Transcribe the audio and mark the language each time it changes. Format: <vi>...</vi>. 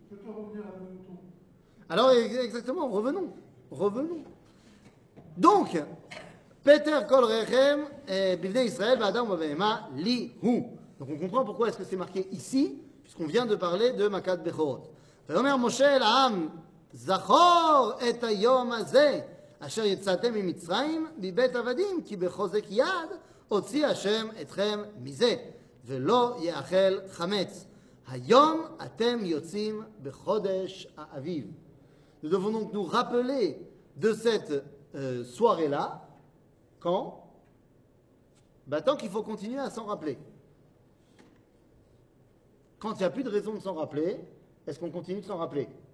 <fr>Peut-on revenir à nos moutons? Alors, exactement, revenons. Revenons. Donc,</fr> <he>Peter Kol Rechem et Bivne Israël, Adam Bavema, Li Hu.</he> <fr>Donc on comprend pourquoi est-ce que c'est marqué ici, puisqu'on vient de parler de Makat Bechorot.</fr> <he>Vayomer Moshe Elaham. זכור את היום הזה אשר יצאתם ממצרים מבית עבדים כי בחוזק יד הוציא השם אתכם מזה ולא יאכל חמץ היום אתם יוצאים בחודש האביב.</he> <fr>Nous devons donc nous rappeler de cette soirée là quand tant qu'il faut continuer à s'en rappeler. Quand il n'y a plus de raison de s'en rappeler, est-ce qu'on continue de s'en rappeler?</fr>